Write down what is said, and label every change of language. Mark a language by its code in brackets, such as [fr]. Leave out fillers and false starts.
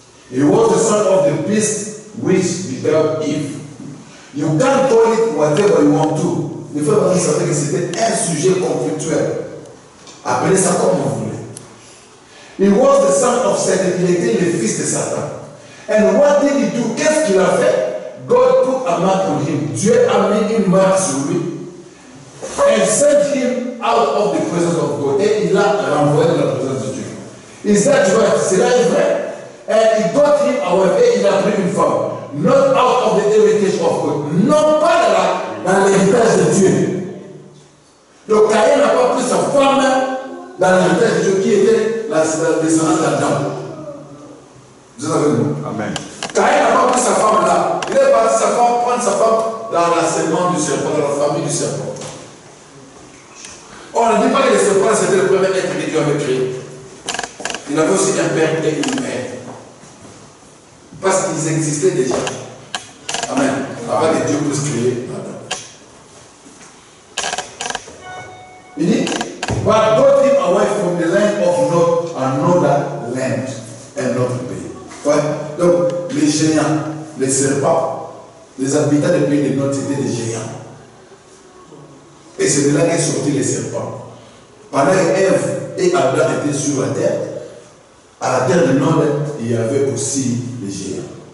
[en] He was the son of the beast which beheld Eve. You can call it whatever you want to. [fr] Le frère Marie savait que c'était un sujet conflictuel. Appelez ça comme vous voulez. [en] He was the son of Satan. [fr] Il était le fils de Satan. [en] And what did he do? [fr] Qu'est-ce qu'il a fait? [en] God put a mark on him. [fr] Dieu a mis une marque sur lui. [en] And sent him out of the presence of God. [fr] Et il a renvoyé dans la présence de Dieu. [en] Is that right? [fr] Cela est vrai? [en] And he got him away, [fr] et il a pris une femme. [en] Not out of the heritage of God. [fr] Non pas de là, dans l'héritage de Dieu. Donc Caïn n'a pas pris sa femme dans l'héritage de Dieu qui était la descendance d'Adam. Vous avez vu? Amen. Caïn n'a pas pris sa femme là. Il est parti sa femme, prendre sa femme dans la semence du serpent, dans la famille du serpent. On ne dit pas que le serpent c'était le premier être que Dieu avait créé. Il avait aussi un père et une mère. Parce qu'ils existaient déjà. Amen. Avant que Dieu puisse créer Adam. Il dit, [en] but God him away from the land of Nod, another land, another pays. [fr] Ouais. Donc, les géants, les serpents, les habitants des pays de Nod, c'était des géants. Et c'est de là qu'est sorti les serpents. Pendant que Ève et Adam étaient sur la terre, à la terre de Nod, il y avait aussi les géants.